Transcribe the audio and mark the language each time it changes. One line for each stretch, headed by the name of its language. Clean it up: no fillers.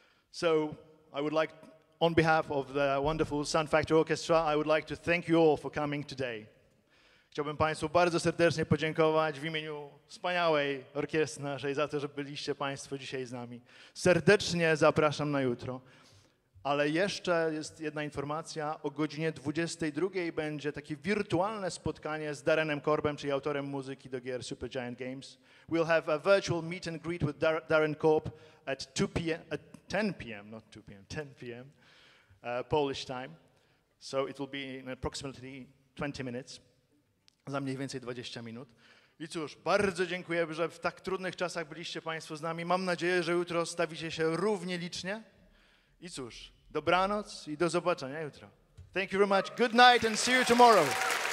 English: So I would like, on behalf of the wonderful Sound Factory Orchestra, I would like to thank you all for coming today.
Polish: Chciałbym państwu bardzo serdecznie podziękować w imieniu wspaniałej orkiestry naszej za to, że byliście państwo dzisiaj z nami. Serdecznie zapraszam na jutro. Ale jeszcze jest jedna informacja. O godzinie 22 będzie takie wirtualne spotkanie z Darrenem Korbem, czyli autorem muzyki do gier Supergiant Games.
English: We'll have a virtual meet and greet with Darren Korb at 10 p.m. Polish time. So it will be in approximately 20 minutes.
Polish: Za mniej więcej 20 minut. I cóż, bardzo dziękuję, że w tak trudnych czasach byliście państwo z nami. Mam nadzieję, że jutro stawicie się równie licznie. I cóż, dobranoc i do zobaczenia jutro.
English: Thank you very much. Good night and see you tomorrow.